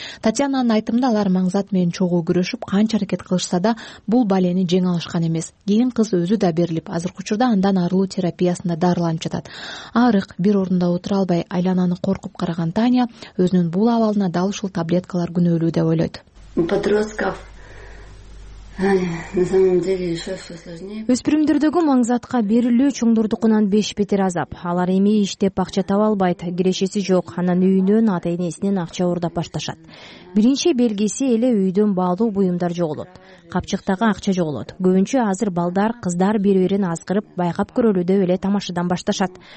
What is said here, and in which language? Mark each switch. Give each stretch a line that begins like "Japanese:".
Kyrgyz: Татьянанын айтымында алар маңзат менен чогуу күрөшүп, канча аракет кылышса да бул балени жеңе алышкан эмес. Кийин кыз өзү да берилип, азыркы учурда андан арылуу терапиясында дарыланып жатат. Арык, бир ордунда отура албай айлананы коркуп караган Таня өзүнүн бул абалына дал ушул таблеткалар күнөөлүү деп ойлойт.
Russian: Подростков. На самом деле еще все сложнее.
Kyrgyz: Өспүрүмдөрдөгү маңзатка берилүү чоңдордукунан 5 бетер азап. Алар эми иштеп акча таба албайт, кирешеси жок, анан үйүнөн ата энесинен акча уурдап башташат. Биринчи белгиси эле үйдөн баалуу буюмдар жоголот. Капчыктагы акча жоголот. Көбүнчө азыр балдар, кыздар бири-бирин азгырып, байкап көрөлү деп эле тамашадан башташат.